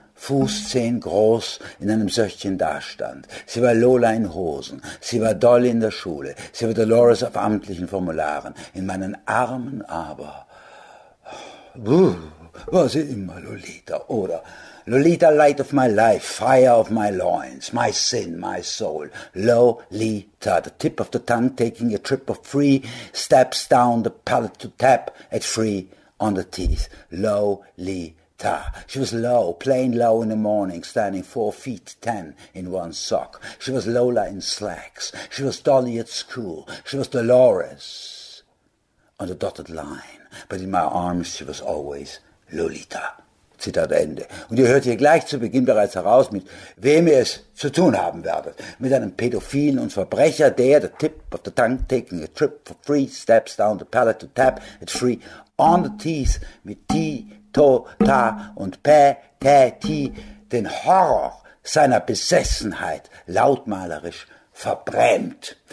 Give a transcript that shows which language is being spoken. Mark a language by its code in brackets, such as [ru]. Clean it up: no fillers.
[de] Fußzehen groß in einem Söckchen dastand. Sie war Lola in Hosen. Sie war Dolly in der Schule. Sie war Dolores auf amtlichen Formularen. In meinen Armen aber war sie immer Lolita, oder? [en] Lolita, light of my life, fire of my loins, my sin, my soul. Lolita, the tip of the tongue taking a trip of 3 steps down the palate to tap at 3 on the teeth. Lolita. She was low, plain low in the morning, standing 4'10" in one sock. She was Lola in slacks. She was Dolly at school. She was Dolores on the dotted line. But in my arms she was always Lolita. [de] Zitat Ende. Und ihr hört hier gleich zu Beginn bereits heraus, mit wem ihr es zu tun haben werdet. Mit einem Pädophilen und Verbrecher, der [en] the tip of the tongue taking a trip for 3 steps down the palate to tap at 3 on the teeth [de] mit T, To, Ta und Pä, Tä, Ti den Horror seiner Besessenheit lautmalerisch verbrennt.